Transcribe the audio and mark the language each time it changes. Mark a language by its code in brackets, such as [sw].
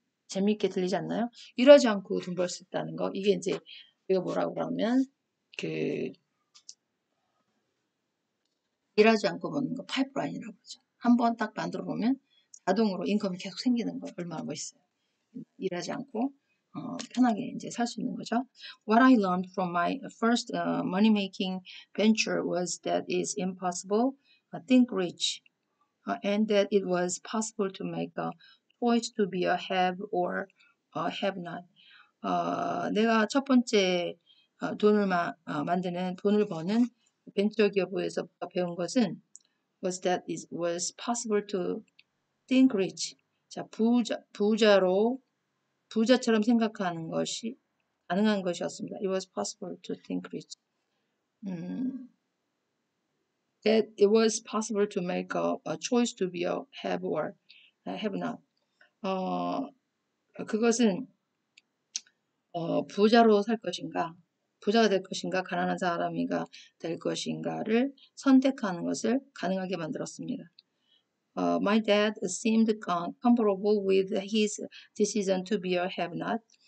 [ko] 재미있게 들리지 않나요? 일하지 않고 돈벌수 있다는 거. 이게 이제 이거 뭐라고 그러면 그 일하지 않고 버는 거 파이프라인이라고 그러죠. 한번 딱 만들어 보면 자동으로 인컴이 계속 생기는 거 얼마나 멋있어요. 일하지 않고 편하게 이제 살수 있는 거죠. [en] What I learned from my first money-making venture was that it's impossible. Think rich, and that it was possible to make a choice to be a have or a have not. [ko] 내가 첫 번째 돈을 만드는 돈을 버는 벤처 기업에서 배운 것은 [en] was that it was possible to think rich. [ko] 자, 부자로 부자처럼 생각하는 것이 가능한 것이었습니다. [en] It was possible to think rich. That it was possible to make a choice to be a have or have not. [ko] 그것은 부자로 살 것인가, 부자가 될 것인가, 가난한 사람이가 될 것인가를 선택하는 것을 가능하게 만들었습니다. [en] My dad seemed comfortable with his decision to be a have not.